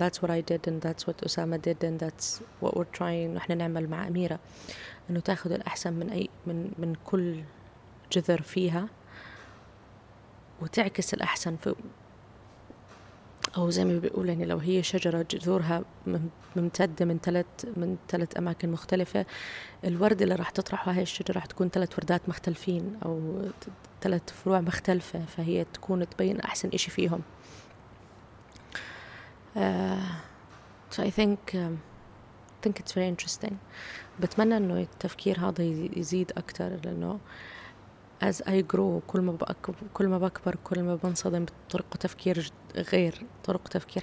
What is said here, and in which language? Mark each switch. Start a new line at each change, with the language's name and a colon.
English: And that's what I did and that's what أسامة did and that's what we're trying
Arabic: وإحنا نعمل مع أميرة، إنه تأخذ الأحسن من أي من كل جذر فيها وتعكس الأحسن في، أو زي ما بيقول يعني لو هي شجرة جذورها ممتدة من ثلاث أماكن مختلفة، الورد اللي راح تطرحه هاي الشجرة راح تكون ثلاث وردات مختلفين أو ثلاث فروع مختلفة، فهي تكون تبين أحسن إشي فيهم.
English: So I think it's very interesting.
Arabic: بتمنى إنه التفكير هذا يزيد أكتر، لأنه
English: as I grow
Arabic: كل ما بكبر كل ما بنصدم بطرق تفكير غير طرق تفكير.